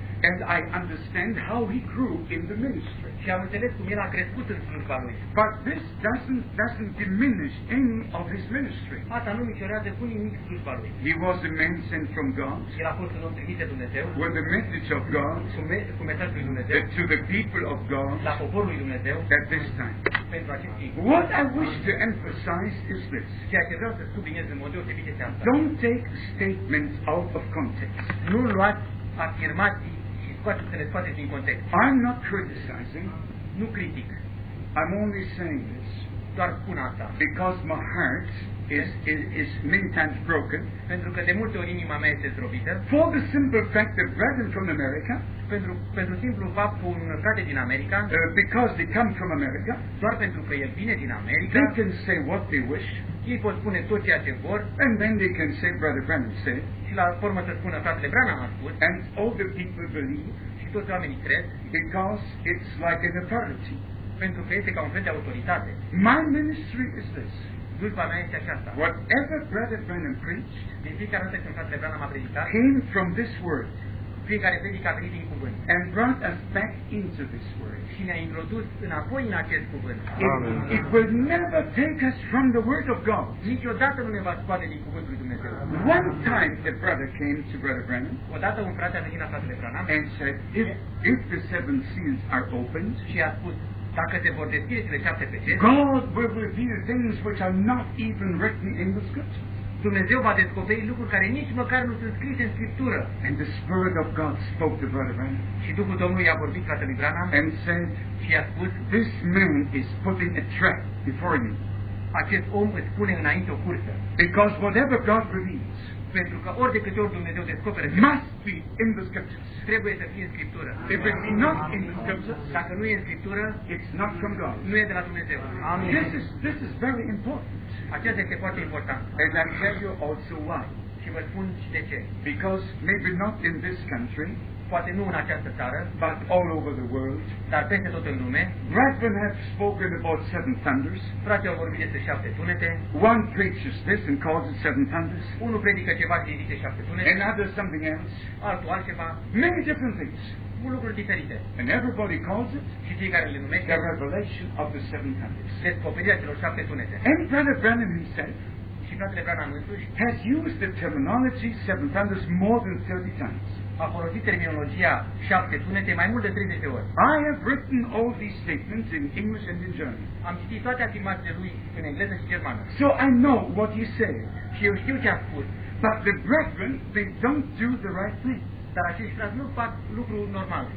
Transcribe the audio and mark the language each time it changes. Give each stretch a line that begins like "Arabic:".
English: And I understand how he grew in the ministry.
Romanian: Și am înțeles cum el a crescut în slujba lui.
English: But this doesn't diminish any of his ministry.
Romanian: Asta nu micșorează cu nimic slujba lui.
English: He was a man sent from God.
Romanian: El a fost un om trimis de Dumnezeu.
English: With the message of God.
Romanian: Cu mesajul lui Dumnezeu.
English: To the people of God.
Romanian: La poporul lui Dumnezeu.
English: At this time.
Romanian: Pentru acest timp.
English: What I wish to emphasize is this.
Romanian: Ceea ce vreau să subliniez în mod deosebit este asta.
English: Don't take statements out of context.
Romanian: Nu luați afirmații. Context.
English: I'm not criticizing.
Romanian: Nu critic.
English: I'm only saying this.
Romanian: Doar spun asta.
English: Because my heart is many times broken.
Romanian: Pentru că de multe ori inima mea este zdrobită.
English: For the simple fact that brethren from America.
Romanian: Pentru simplu fapt că un frate din America.
English: Because they come from America.
Romanian: Doar pentru că el vine din America.
English: They can say what they wish.
Romanian: Ei pot spune tot ceea ce vor.
English: And then they can say brother Branham said.
Romanian: Și la formă să spună fratele Branham a spus.
English: And all the people believe.
Romanian: Și toți oamenii cred.
English: Because it's like an authority.
Romanian: Pentru că este ca un fel de autoritate.
English: My ministry is this.
Romanian: Slujba mea este aceasta.
English: Whatever brother Branham preached.
Romanian: Din fiecare dată când fratele Branham a predicat.
English: Came from this word.
Romanian: Fiecare predică a venit din cuvânt.
English: And brought us back into this word.
Romanian: Și ne-a introdus înapoi în acest cuvânt.
English: Amen. It will never take us from the word of God.
Romanian: Niciodată nu ne va scoate din cuvântul lui Dumnezeu.
English: One time the brother came to brother Branham.
Romanian: Odată un frate a venit la fratele Branham.
English: And said, if the 7 seals are opened.
Romanian: Și a spus, dacă se vor deschide cele 7 pecete.
English: God will reveal things which are not even written in the scripture.
Romanian: Dumnezeu va descoperi lucruri care nici măcar nu sunt scrise în Scriptură.
English: And the Spirit of God spoke to Brother Branham.
Romanian: Și Duhul Domnului i-a vorbit fratelui Branham.
English: And said,
Romanian: și a spus,
English: this man is putting a trap before me.
Romanian: Acest om îți pune înainte o cursă.
English: Because whatever God reveals,
Romanian: pentru că ori de câte ori Dumnezeu descoperă,
English: must be in the Scriptures.
Romanian: Trebuie să fie în Scriptură.
English: If it's not in the Scriptures,
Romanian: dacă nu e în Scriptură,
English: it's not from God.
Romanian: Nu e de la Dumnezeu.
English: Amen. This is very important.
Romanian: Aceasta este foarte important.
English: And I tell you also why.
Romanian: Și vă spun și de ce.
English: Because maybe not in this country,
Romanian: poate nu în această țară,
English: but all over the world,
Romanian: dar peste tot în lume,
English: brethren have spoken about 7 thunders,
Romanian: frate-o vorbit despre 7 tunete,
English: one preaches this and calls it 7 thunders,
Romanian: unul predică ceva și zice 7 tunete,
English: another something else,
Romanian: altul altceva,
English: many different things,
Romanian: lucruri diferite,
English: and everybody calls it,
Romanian: și fiecare le numește,
English: the revelation of the 7 thunders,
Romanian: descoperirea celor 7 tunete,
English: and brother Branham himself,
Romanian: și fratele Branham însuși,
English: has used the terminology 7 thunders more than 30 times.
Romanian: A folosit terminologia 7 tunete mai mult de 30 de ori.
English: I have written all these statements in English and in German.
Romanian: Am citit toate afirmațiile lui în engleză și germană.
English: So I know what he said.
Romanian: Și eu știu ce a spus.
English: But the brethren, they don't do the right thing.
Romanian: Dar acești frați nu fac lucrul normal.